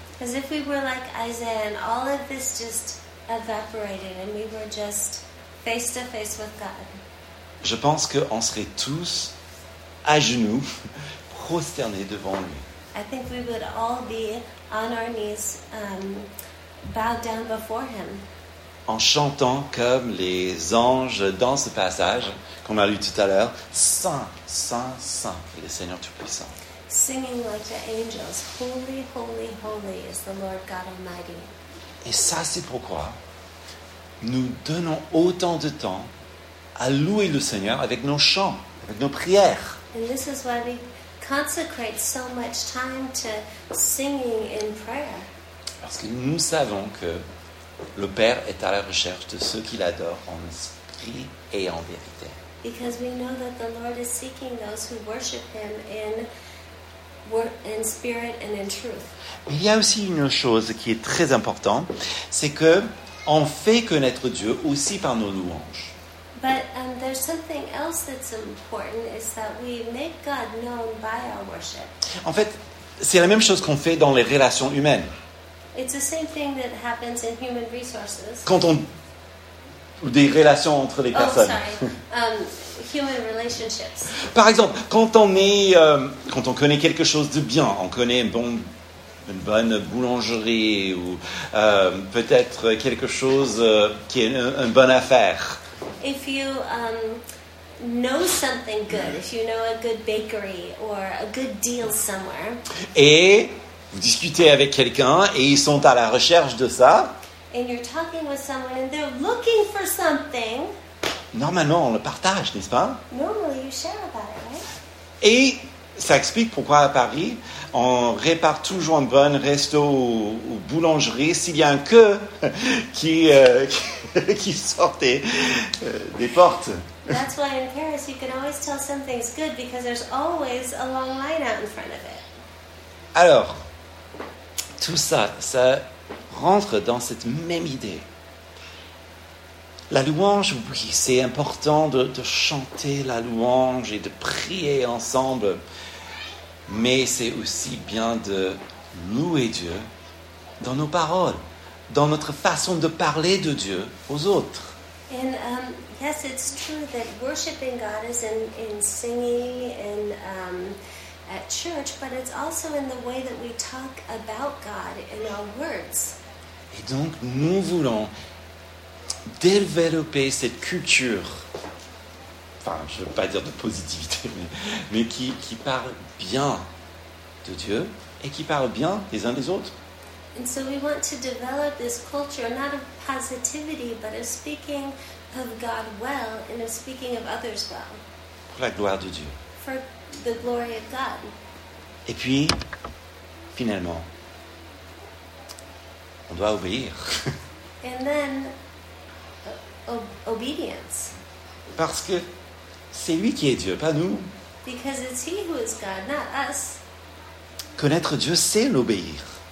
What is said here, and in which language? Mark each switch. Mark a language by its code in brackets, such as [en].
[en] As if we were like Isaiah and all of this just evaporated and we were just face to face with God. [fr] Je pense qu'on serait tous à genoux, prosternés devant lui. [en] I think we would all be on our knees, bowed down before him. [fr] En chantant comme les anges dans ce passage qu'on a lu tout à l'heure, Saint, Saint, Saint, est le Seigneur Tout-Puissant. [en] Singing like the angels, holy, holy, holy is the Lord God Almighty. [fr] Et ça, c'est pourquoi nous donnons autant de temps à louer le Seigneur avec nos chants, avec nos prières. [en] And this is why we consecrate so much time to singing in prayer. [fr] Parce que nous savons que le Père est à la recherche de ceux qui l'adorent en esprit et en vérité. [en] Because we know that the Lord is seeking those who worship him in spirit and in truth. [fr] Il y a aussi une chose qui est très importante, c'est que on fait connaître Dieu aussi par nos louanges. [en] But there's something else that's important is that we make God known by our worship. [fr] En fait, c'est la même chose qu'on fait dans les relations humaines. [en] It's the same thing that happens in human resources. [fr] Quand on ou des relations entre les personnes. [en] Human relationships. [fr] Par exemple, quand on est, quand on connaît quelque chose de bien, on connaît une bonne boulangerie ou peut-être quelque chose qui est une bonne affaire. [en] If you know something good, if you know a good bakery or a good deal somewhere. [fr] Et vous discutez avec quelqu'un et ils sont à la recherche de ça. [en] And you're talking with someone and they're looking for something. [fr] Normalement, on le partage, n'est-ce pas? [en] Normally, you share about it, right? [fr] Et ça explique pourquoi à Paris, on répare toujours une bonne resto ou boulangerie s'il y a un queue qui sortait des portes. [en] That's why in Paris, you can always tell something's good because there's always a long line out in front of it. [fr] Alors, tout ça, ça rentre dans cette même idée. La louange, oui, c'est important de chanter la louange et de prier ensemble, mais c'est aussi bien de louer Dieu dans nos paroles, dans notre façon de parler de Dieu aux autres. [en] And yes, it's true that worshiping God is in singing and at church, but it's also in the way that we talk about God in our words. [fr] Et donc, nous voulons développer cette culture, enfin, je ne veux pas dire de positivité, mais qui parle bien de Dieu et qui parle bien des uns des autres. [en] And so we want to develop this culture, not of positivity, but of speaking of God well and of speaking of others well. [fr] Pour la gloire de Dieu. [en] For the glory of God. [fr] Et puis, finalement, on doit obéir. [en] And then, obedience. [fr] Parce que c'est lui qui est Dieu, pas nous. [en] Because it's he who is God, not us. [fr] Connaître Dieu, c'est l'obéir.